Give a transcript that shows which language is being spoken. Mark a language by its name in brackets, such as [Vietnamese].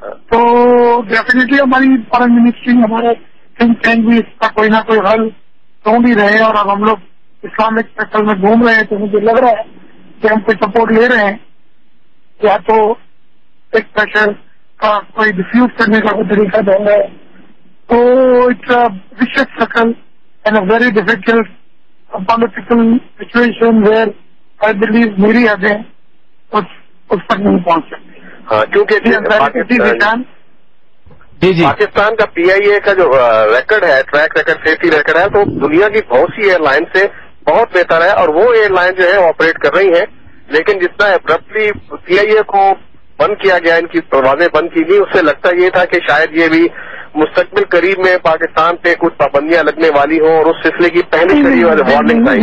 [Urdu] تو ڈیفینیٹلی ہماری foreign ministry, ہمارے تھنک ٹینک بھی اس کا کوئی نہ کوئی حل ڈھونڈ ہی رہے, اور اب ہم لوگ اسلامک سرکل میں گھوم رہے ہیں تو مجھے لگ رہا ہے کہ ہم کوئی سپورٹ لے رہے ہیں, یا تو ایک پریشر کا کوئی ڈیفیوز کرنے کا کوئی طریقہ ڈھونڈ رہے ہیں. [English] تو it's a vicious circle and a very difficult political situation where I believe [Urdu] میری حدیں اس تک نہیں پہنچ سکتی. کیونکہ پاکستان کا پی آئی اے کا جو ریکارڈ ہے, ٹریک ریکارڈ, سیفٹی ریکارڈ ہے, تو دنیا کی بہت سی ایئر لائن سے بہت بہتر ہے, اور وہ ایئر لائن جو ہے آپریٹ کر رہی ہے. لیکن جتنا ابرپٹلی پی آئی اے کو بند کیا گیا, ان کی پروازیں بند کی گئی, اس سے لگتا یہ تھا کہ شاید یہ بھی مستقبل قریب میں پاکستان پہ کچھ پابندیاں لگنے والی ہوں, اور اس سلسلے کی پہلی شریف والے وارننگ.